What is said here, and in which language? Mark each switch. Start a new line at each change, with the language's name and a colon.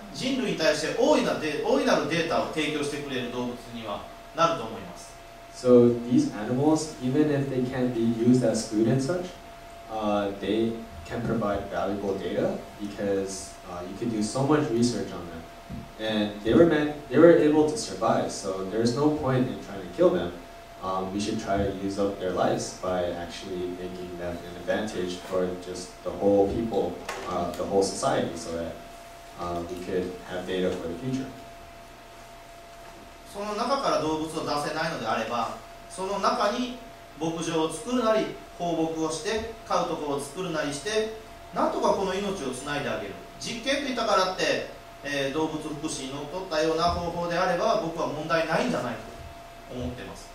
Japanese: 人類に対して大いなるデータを提供してくれる動物にはなると思います。
English: So these animals, even if they can't be used as food and such, they can provide valuable data because you can do so much research on them. And they were able to survive, so there's no point in trying to kill them. We should try to use up their lives by actually making them an advantage for just the whole people, the whole society, so that we could have data for the future.
Japanese: その中から動物を出せないのであれば、その中に牧場を作るなり、放牧をして、飼うところを作るなりして、なんとかこの命をつないであげる。実験といったからって、動物福祉にのっとったような方法であれば、僕は問題ないんじゃないかと思ってます。